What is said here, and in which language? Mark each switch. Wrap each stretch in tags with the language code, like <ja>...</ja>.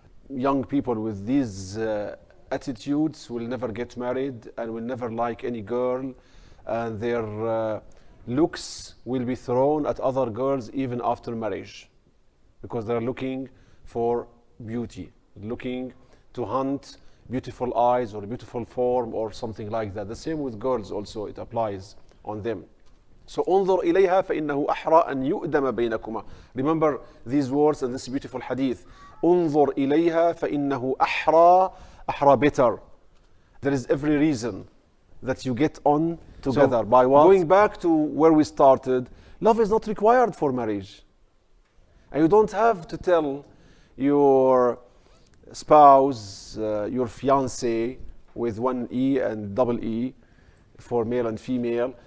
<en>Young people with these attitudes will never get married and will never like any girl, and their looks will be thrown at other girls even after marriage, because they're looking for beauty, looking to hunt beautiful eyes or beautiful form or something like that. The same with girls also, it applies on them.</en> <ar>So انظر إليها فإنه أحرى أن يؤدم بينكما.</ar> <en>Remember these words and this beautiful hadith.</en> <ar>انظر إليها فإنه أحرى, أحرى better.</ar> <en>There is every reason that you get on together. So by what? Going back to where we started, love is not required for marriage. And you don't have to tell your spouse, your fiancé with one E and double E for male and female.</en>